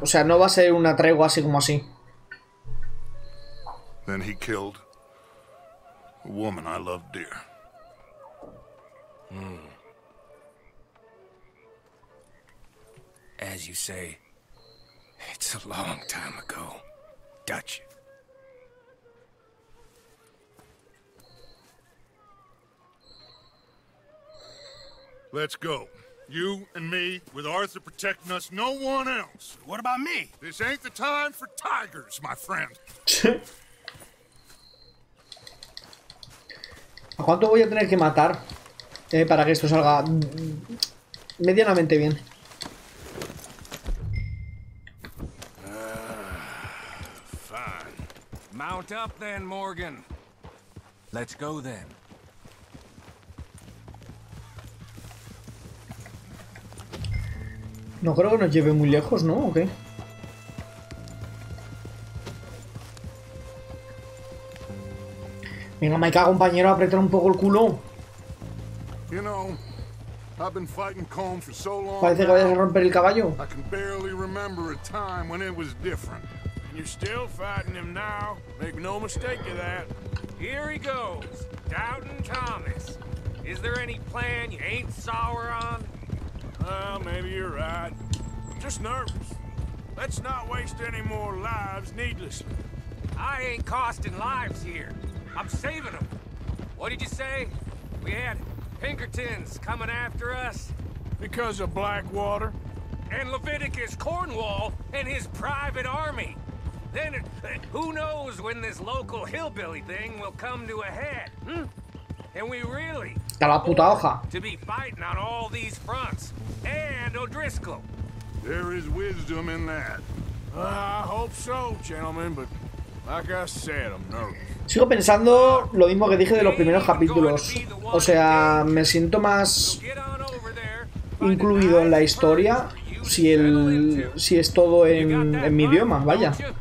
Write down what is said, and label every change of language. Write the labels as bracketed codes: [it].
[es] O sea, no va a ser una tregua así como así. [en] Then he killed a woman I loved dear. As you say, it's a long time ago, Dutch. Let's go. You and me, with Arthur protecting us, no one else. What about me? This ain't the time for tigers, my friend. [es] ¿A cuánto voy a tener que matar para que esto salga medianamente bien? [en] Fine. Mount up then, Morgan. Let's go then. [es] No creo que nos lleve muy lejos, ¿no? ¿O qué? Venga, me cago, compañero, apretar un poco el culo. [en] You know, I've been fighting Combe for so long. [es] Parece que vayas a romper el caballo. [en] I can barely remember a time when it was different. And you're still fighting him now. Make no mistake of that. Here he goes, Doubting Thomas. Is there any plan you ain't sour on? Well, maybe you're right. Just nervous. Let's not waste any more lives needlessly. I ain't costing lives here. I'm saving them. What did you say? We had Pinkertons coming after us. Because of Blackwater. And Leviticus Cornwall and his private army. Then who knows when this local hillbilly thing will come to a head, hmm? And we really to be fighting on all these fronts. And O'Driscoll. There is wisdom in that. I hope so, gentlemen, but like I said, I'm nervous. [es] Sigo pensando lo mismo que dije de los primeros capítulos. O sea, me siento más incluido en la historia si el si es todo en mi idioma, vaya.